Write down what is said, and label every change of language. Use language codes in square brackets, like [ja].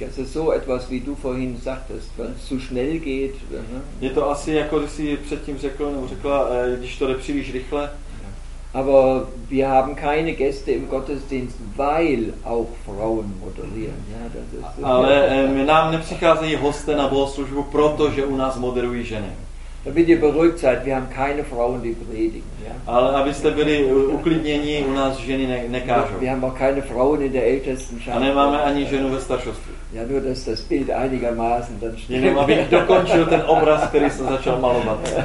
[de] Es ist so etwas, wie du vorhin sagtest, wenn es zu schnell geht. [cs] Je to asi, jako když jsi předtím řekl, nebo řekla, když to jde příliš rychle. [de] Aber wir haben keine Gäste im Gottesdienst, weil auch Frauen moderieren. Ja, das ist so. [cs] Ale nám nepřicházejí hosté na bohoslužbu, protože u nás moderují ženy. [de] Damit ihr beruhigt seid, wir haben keine Frauen, die predigen. Ja? [cs] Ale abyste byli uklidněni, u nás ženy nekážou. [de] Wir haben auch keine Frauen in der Ältestenschaft. [cs] A nemáme ani ženu ve staršovství. [de] Ja, nur dass das Bild einigermaßen dann stimmt. [cs] Jenom abych dokončil ten obraz, který jsem začal malovat.